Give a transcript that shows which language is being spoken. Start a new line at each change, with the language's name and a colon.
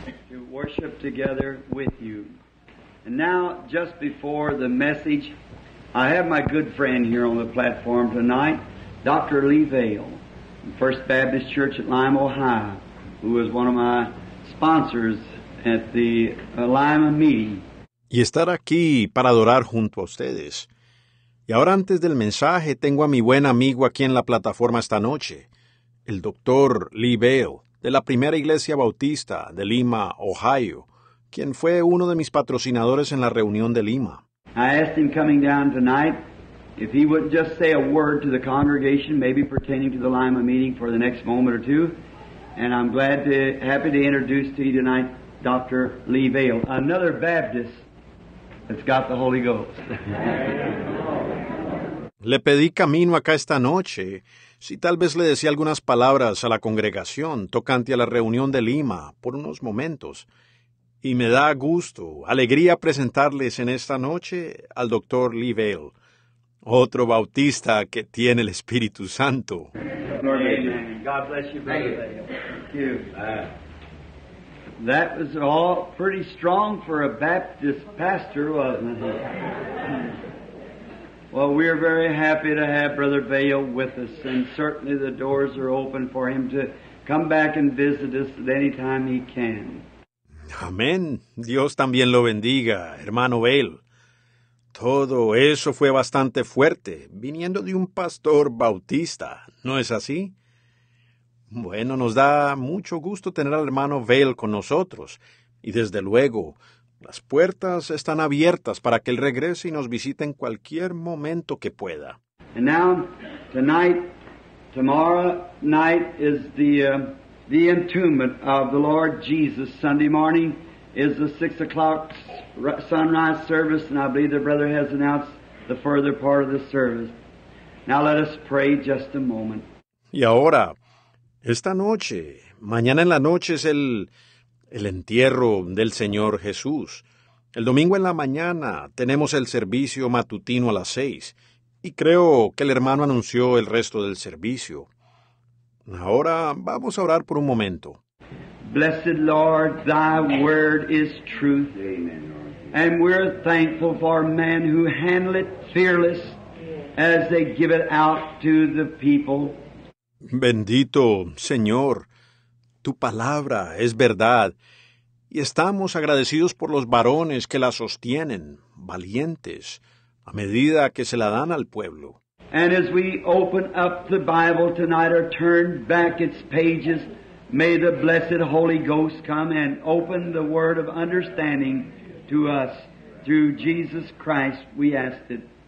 English: To worship together with you. And now, just before the message, I have my good friend here on the platform tonight, Dr. Lee Vail, First Baptist Church at Lima, Ohio, who was one of my sponsors at the Lima meeting.
Spanish: Y estar aquí para adorar junto a ustedes. Y ahora antes del mensaje, tengo a mi buen amigo aquí en la plataforma esta noche, el Dr. Lee Vail, de la Primera Iglesia Bautista de Lima, Ohio, quien fue uno de mis patrocinadores en la reunión de Lima.
English: I asked him coming down tonight if he would just say a word to the congregation, maybe pertaining to the Lima meeting for the next moment or two. And I'm happy to introduce to you tonight Dr. Lee Vail, another Baptist that's got the Holy Ghost.
Spanish: Le pedí camino acá esta noche si tal vez le decía algunas palabras a la congregación tocante a la reunión de Lima por unos momentos. Y me da gusto, alegría presentarles en esta noche al Dr. Lee Vail, otro bautista que tiene el Espíritu Santo.
English: Amen. God bless you, Brother Vail. Thank you. That was all pretty strong for a Baptist pastor, wasn't it? Well, we are very happy to have Brother Vail with us, and certainly the doors are open for him to come back and visit us at any time he can.
Spanish: Amén. Dios también lo bendiga, hermano Vail. Todo eso fue bastante fuerte, viniendo de un pastor bautista, ¿no es así? Bueno, nos da mucho gusto tener al hermano Vail con nosotros, y desde luego, las puertas están abiertas para que él regrese y nos visite en cualquier momento que pueda.
English: And now, tonight, tomorrow night is the entombment of the Lord Jesus. Sunday morning is the 6 o'clock sunrise service, and I believe the brother has announced the further part of the service. Now let us pray just a moment.
Spanish: Y ahora, esta noche, mañana en la noche es el entierro del Señor Jesús. El domingo en la mañana tenemos el servicio matutino a las 6:00, y creo que el hermano anunció el resto del servicio. Ahora vamos a orar por un momento.
English: Blessed Lord, thy word is truth. And we're thankful for men who handle it fearless as they give it out to the people.
Spanish: Bendito Señor, tu palabra es verdad, y estamos agradecidos por los varones que la sostienen, valientes, a medida que se la dan al pueblo.
English: And as we open up the Bible tonight or turn back its pages, may the blessed Holy Ghost come and open the word of understanding to us. Through Jesus Christ we ask it.